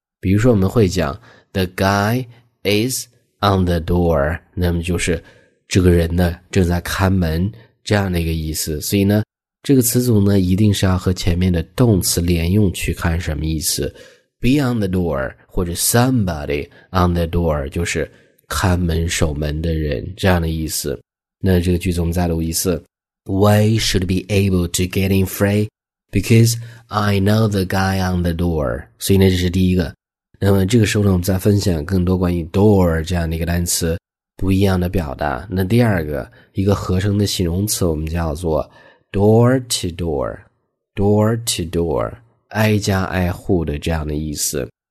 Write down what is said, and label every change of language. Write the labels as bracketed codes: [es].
[zh] 比如说我们会讲 [en] The guy is on the door， [zh] 那么就是这个人呢正在看门这样的一个意思。所以呢这个词组呢一定是要和前面的动词连用去看什么意思。 [en] Be on the door [zh] 或者 [en] somebody on the door [zh] 就是看门守门的人这样的意思。那这个句子我们再读一次。 [en] We should be able to get in free because I know the guy on the door. [zh] 所以呢这是第一个。那么这个时候呢我们再分享更多关于 door 这样的一个单词不一样的表达。那第二个一个合成的形容词我们叫做 door to door, door to door, 挨家挨户的这样的意思。